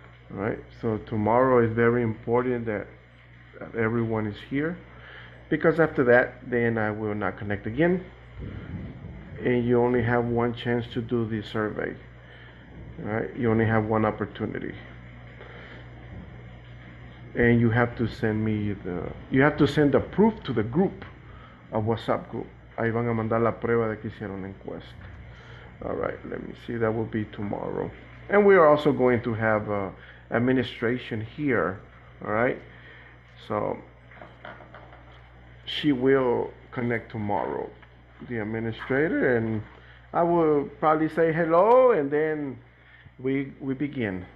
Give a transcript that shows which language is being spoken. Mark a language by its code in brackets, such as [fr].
[en] All right, so tomorrow is very important that everyone is here, because after that, then I will not connect again, and you only have one chance to do the survey. All right, you only have one opportunity, and you have to send me the proof to the group, a WhatsApp group. [es] Ahí van a mandar la prueba de que hicieron encuesta. [en] All right, let me see. That will be tomorrow, and we are also going to have administration here. All right, so she will connect tomorrow, the administrator, and I will probably say hello, and then we begin.